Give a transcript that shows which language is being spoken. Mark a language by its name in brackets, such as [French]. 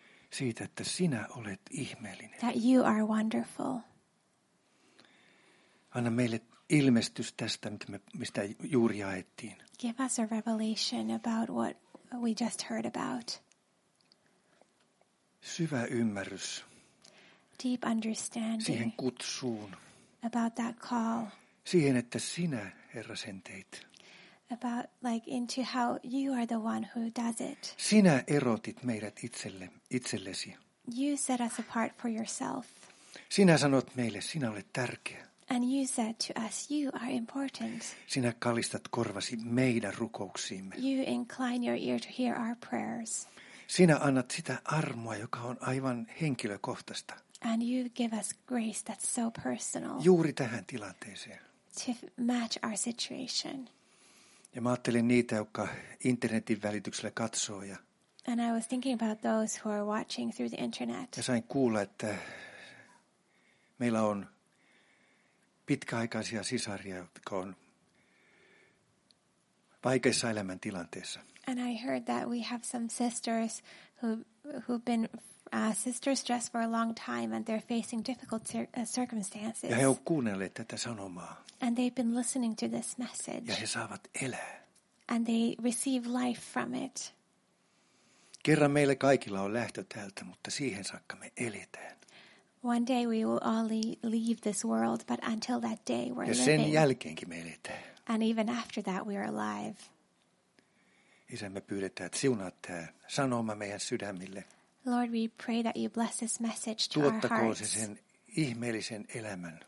[Finnish] Siitä, että sinä olet ihmeellinen. [English] That you are wonderful. [Finnish] Anna meille ilmestys tästä, mistä juuri jaettiin. [English] Give us a revelation about what we just heard about. [Finnish] Syvä ymmärrys. [English] Deep understanding. [Finnish] Siihen kutsuun. [English] About that call. [Finnish] Siihen, että sinä, Herra, sen teit. [English] About like into how you are the one who does it. [Finnish] Sinä erotit meidät itsellesi. [English] You set us apart for yourself. [Finnish] Sinä sanot meille, sinä olet tärkeä. [English] And you said to us, you are important. [Finnish] Sinä kallistat korvasi meidän rukouksiimme. [English] You incline your ear to hear our prayers. [Finnish] Sinä annat sitä armoa, joka on aivan henkilökohtaista. [English] And you give us grace that's so personal. [Finnish] Juuri tähän tilanteeseen. [English] To match our situation. [Finnish] Ja mä ajattelin niitä, jotka internetin välityksellä katsoo ja. [English] And I was thinking about those who are watching through the internet. [Finnish] Ja sain kuulla, että meillä on pitkäaikaisia sisaria, jotka on vaikeissa elämän tilanteissa. [English] And I heard that we have some sisters who've been sisters just for a long time and they're facing difficult circumstances. [Finnish] Ja he ovat kuunnelleet tätä sanomaa. [English] And they've been listening to this message. [Finnish] Ja he saavat elää. [English] And they receive life from it. [Finnish] Kerran meille kaikilla on lähtö täältä, mutta siihen saakka me eletään. [English] One day we will all leave this world, but until that day we're living. [Finnish] Ja sen jälkeenkin me eletään. [English] And even after that we are alive. [Finnish] Isä, me pyydetään, että siunaat tämä sanoma meidän sydämille. [English] Lord, we pray that you bless this message to our hearts. [Finnish] Tuottakoon se sen ihmeellisen elämän.